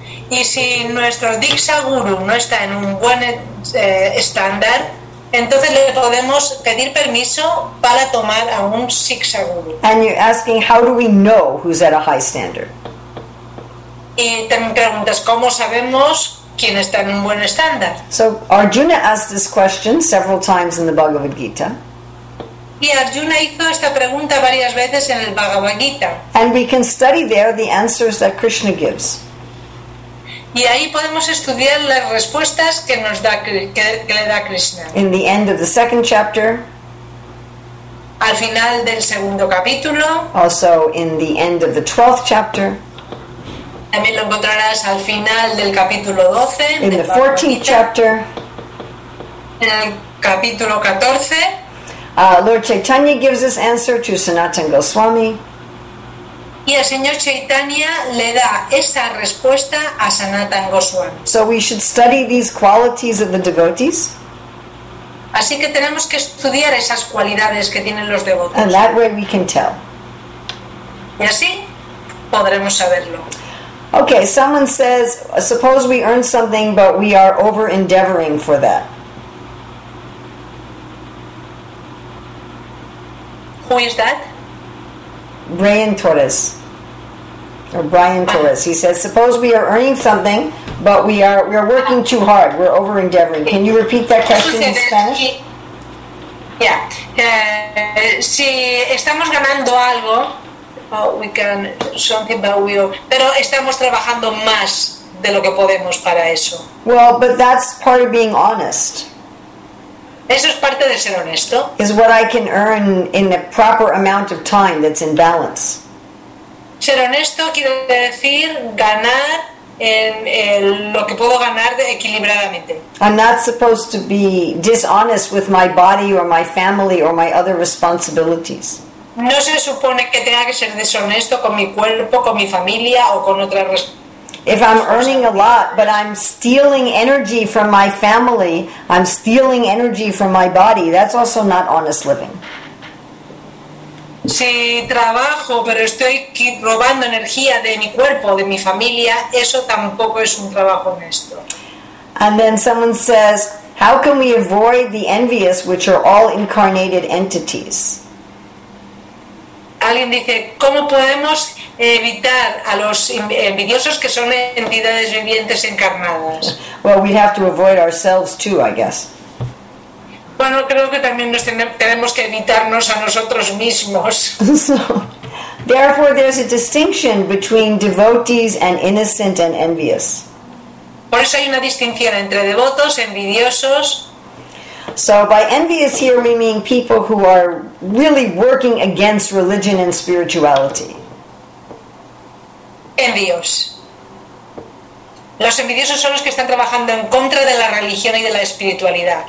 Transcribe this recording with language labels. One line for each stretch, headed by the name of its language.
Spanish: Y si nuestro Diksha guru no está en un buen estándar, entonces le podemos pedir permiso para tomar a un Shiksha guru.
English: And you're asking, how do we know who's at a high standard?
Spanish: Y también preguntas, ¿cómo sabemos quién está en un buen estándar?
English: So Arjuna asked this question several times in the Bhagavad Gita.
Spanish: Y Arjuna hizo esta pregunta varias veces en el Bhagavad Gita.
English: And we can study there the answers that Krishna gives.
Spanish: Y ahí podemos estudiar las respuestas que nos da que le da Krishna.
English: In the end of the second chapter.
Spanish: Al final del segundo capítulo.
English: Also in the end of the 12th chapter.
Spanish: También lo encontrarás al final del capítulo 12.
English: In the 14th chapter.
Spanish: En el capítulo 14.
English: Lord Chaitanya gives this answer to Sanatana Goswami.
Spanish: Y el señor Chaitanya le da esa respuesta a Sanatana Goswami.
English: So we should study these qualities of the devotees.
Spanish: Así que tenemos que estudiar esas cualidades que tienen los devotos.
English: And that way we can tell.
Spanish: Y así podremos saberlo.
English: Okay, someone says, suppose we earn something but we are over-endeavoring for that. Who is that? Brian Torres. Or Brian Torres. He says, suppose we are earning something, but we are working too hard. We're over-endeavoring. Can you repeat that question in Spanish?
Spanish: Yeah. Si estamos ganando algo,
English: we can something that we are,
Spanish: pero estamos trabajando más de lo que podemos para eso.
English: Well, but that's part of being honest.
Spanish: Eso es parte de ser honesto.
English: Is what I can earn in the proper amount of time that's in balance.
Spanish: Ser honesto quiere decir ganar en lo que puedo ganar equilibradamente.
English: I'm not supposed to be dishonest with my body or my family or my other responsibilities.
Spanish: No se supone que tenga que ser deshonesto con mi cuerpo, con mi familia o con otras responsabilidades.
English: If I'm earning a lot, but I'm stealing energy from my family, I'm stealing energy from my body, that's also not honest living.
Spanish: Si trabajo, pero estoy robando energía de mi cuerpo, de mi familia, eso tampoco es un trabajo honesto.
English: And then someone says, how can we avoid the envious, which are all incarnated entities?
Spanish: Alguien dice, ¿cómo podemos evitar a los envidiosos que son entidades vivientes encarnadas?
English: Well, we have to avoid ourselves too, I guess.
Spanish: Bueno, creo que también nos tenemos que evitarnos a nosotros mismos.
English: So, therefore, there's a distinction between devotees and innocent and envious.
Spanish: Por eso hay una distinción entre devotos, envidiosos.
English: So by envious here we mean people who are really working against religion and spirituality.
Spanish: Envios. Los envidiosos son los que están trabajando en contra de la religión y de la espiritualidad.